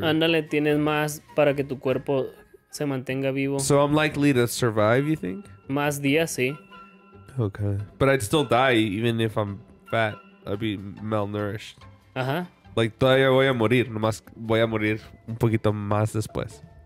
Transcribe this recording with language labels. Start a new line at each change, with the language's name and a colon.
Spanish: Ándale, tienes más para que tu cuerpo se mantenga vivo.
English: So I'm likely to survive, you think?
Spanish: Más días, sí.
English: Okay. But I'd still die, even if I'm fat. I'd be malnourished. Ajá. Uh-huh. Like,
Spanish: todavía voy a morir, nomás voy a morir un poquito más después.